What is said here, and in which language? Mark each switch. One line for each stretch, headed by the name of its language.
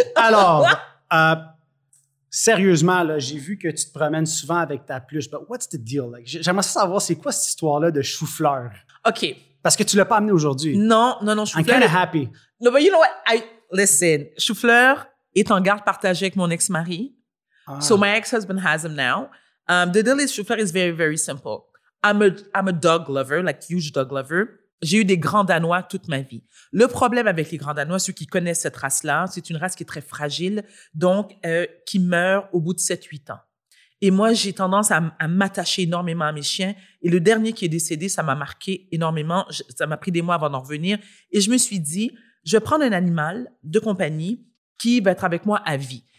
French: Alors, sérieusement, là, j'ai vu que tu te promènes souvent avec ta pluche.
English: But what's the deal?
French: Like, j'aimerais savoir, c'est quoi cette histoire-là de chou-fleur? OK. Parce que tu ne l'as pas amené aujourd'hui. Non, chou-fleur.
English: I'm kind of happy. No, but you know what? Listen,
French: chou-fleur est en garde partagée avec mon ex-mari.
English: Ah. So my ex-husband has him now. The deal is chou-fleur is very, very simple. I'm a dog lover, like huge dog lover.
French: J'ai eu des grands danois toute ma vie. Le problème avec les grands danois, ceux qui connaissent cette race-là, c'est une race qui est très fragile, donc qui meurt au bout de 7-8 ans. Et moi, j'ai tendance à m'attacher énormément à mes chiens. Et le dernier qui est décédé, ça m'a marqué énormément. Ça m'a pris des mois avant d'en revenir. Et je me suis dit, je vais prendre un animal de compagnie qui va être avec moi à vie.